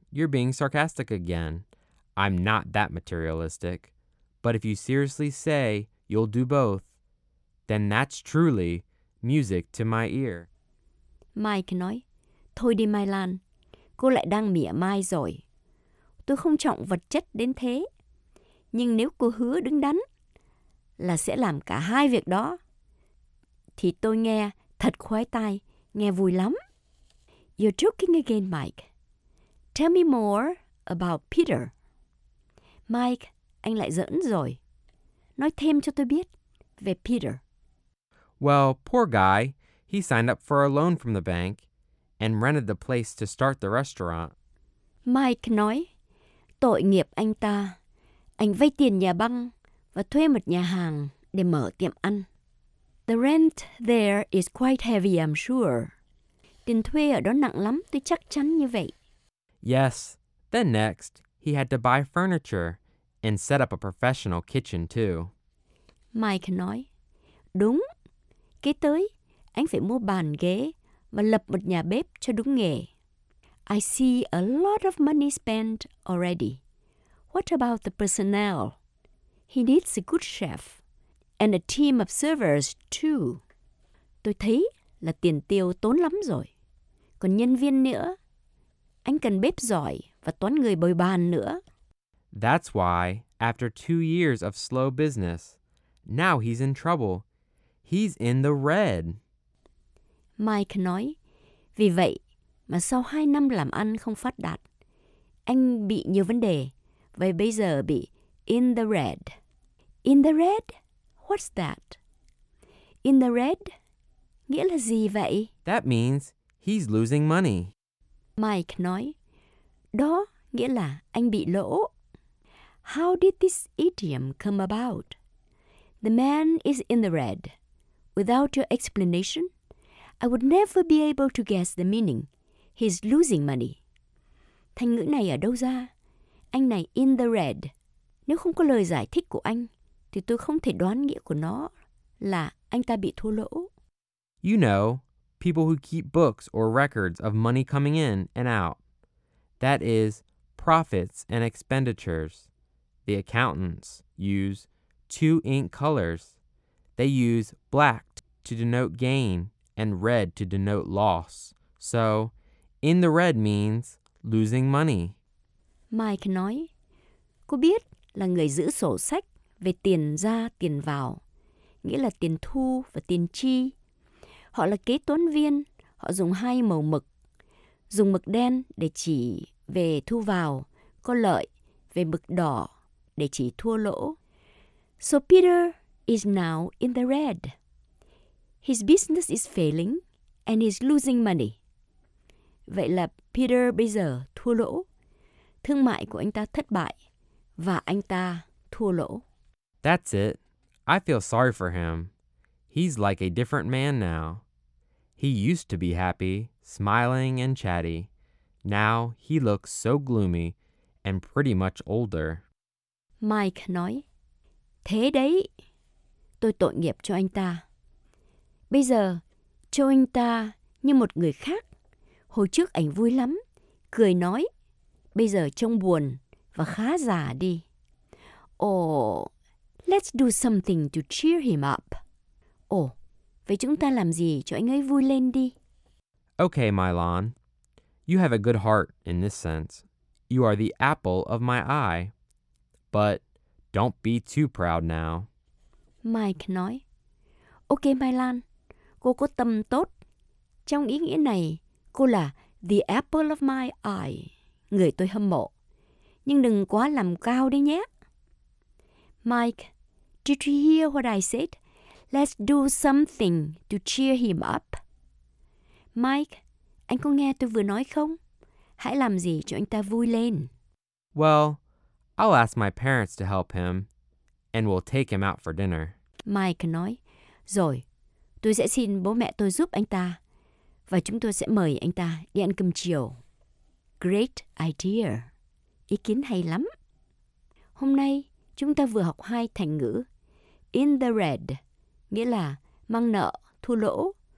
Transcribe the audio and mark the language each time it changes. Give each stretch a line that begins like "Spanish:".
English: You're being sarcastic again. I'm not that materialistic. But if you seriously say you'll do both, then that's truly music to my ear.
Vietnamese: Mike nói, thôi đi Mylan, cô lại đang mỉa mai rồi. Tôi không trọng vật chất đến thế. Nhưng nếu cô hứa đứng đắn là sẽ làm cả hai việc đó, thì tôi nghe thật khoái tai, nghe vui lắm.
English: You're joking again, Mike. Tell me more about Peter.
Vietnamese: Mike, anh lại giỡn rồi. Nói thêm cho tôi biết về Peter.
English: Well, poor guy. He signed up for a loan from the bank and rented the place to start the restaurant.
Vietnamese: Mike nói, tội nghiệp anh ta. Anh vay tiền nhà băng và thuê một nhà hàng để mở tiệm ăn.
English: The rent there is quite heavy, I'm sure.
Vietnamese: Tiền thuê ở đó nặng lắm, tôi chắc chắn như vậy.
English: Yes. Then next, he had to buy furniture and set up a professional kitchen too.
Vietnamese: Mike nói, đúng. Kế tới, anh phải mua bàn ghế và lập một nhà bếp cho đúng nghề.
English: I see a lot of money spent already. What about the personnel? He needs a good chef and a team of servers too.
Vietnamese: Tôi thấy là tiền tiêu tốn lắm rồi. Còn nhân viên nữa. Anh cần bếp giỏi và toán người bồi bàn nữa.
English: That's why, after 2 years of slow business, now he's in trouble. He's in the red.
Vietnamese: Mike nói, vì vậy mà sau 2 năm làm ăn không phát đạt, anh bị nhiều vấn đề. Vậy bây giờ bị
English: in the red. In the red? What's that? In the red?
Vietnamese: Nghĩa là gì vậy?
English: That means he's losing money.
Vietnamese: Mike nói, đó nghĩa là anh bị lỗ.
English: How did this idiom come about? The man is in the red. Without your explanation, I would never be able to guess the meaning. He's losing money.
Vietnamese: Thành ngữ này ở đâu ra? Anh này in the red. Nếu không có lời giải thích của anh, thì tôi không thể đoán nghĩa của nó là anh ta bị thua lỗ.
English: You know, people who keep books or records of money coming in and out. That is, profits and expenditures. The accountants use 2 ink colors. They use black to denote gain and red to denote loss. So, in the red means losing money.
Vietnamese: Mike nói, cô biết là người giữ sổ sách về tiền ra tiền vào, nghĩa là tiền thu và tiền chi. Họ là kế toán viên, họ dùng 2 màu mực. Dùng mực đen để chỉ về thu vào, có lợi, về mực đỏ để chỉ thua lỗ.
English: So Peter is now in the red. His business is failing and he's losing money.
Vietnamese: Vậy là Peter bây giờ thua lỗ. Thương mại của anh ta thất bại và anh ta thua lỗ.
English: That's it. I feel sorry for him. He's like a different man now. He used to be happy, smiling and chatty. Now he looks so gloomy and pretty much older.
Vietnamese: Mike nói, thế đấy, tôi tội nghiệp cho anh ta. Bây giờ, cho anh ta như một người khác. Hồi trước anh vui lắm, cười nói. Bây giờ trông buồn và khá già đi.
English: Oh, let's do something to cheer him up.
Vietnamese: Oh, vậy chúng ta làm gì cho anh ấy vui lên đi?
English: Okay, Mylan. You have a good heart in this sense. You are the apple of my eye. But don't be too proud now.
Vietnamese: Mike nói, okay, Mylan. Cô có tâm tốt. Trong ý nghĩa này, cô là
English: The apple of my eye.
Vietnamese: Người tôi hâm mộ. Nhưng đừng quá làm cao đấy nhé.
English: Mike, did you hear what I said? Let's do something to cheer him up.
Vietnamese: Mike, anh có nghe tôi vừa nói không? Hãy làm gì cho anh ta vui lên.
English: Well, I'll ask my parents to help him, and we'll take him out for dinner.
Vietnamese: Mike nói, rồi, tôi sẽ xin bố mẹ tôi giúp anh ta, và chúng tôi sẽ mời anh ta đi ăn cơm chiều.
English: Great idea.
Vietnamese: Ý kiến hay lắm. Hôm nay, chúng ta vừa học hai thành ngữ. In the red, nghĩa là mang nợ, thua lỗ.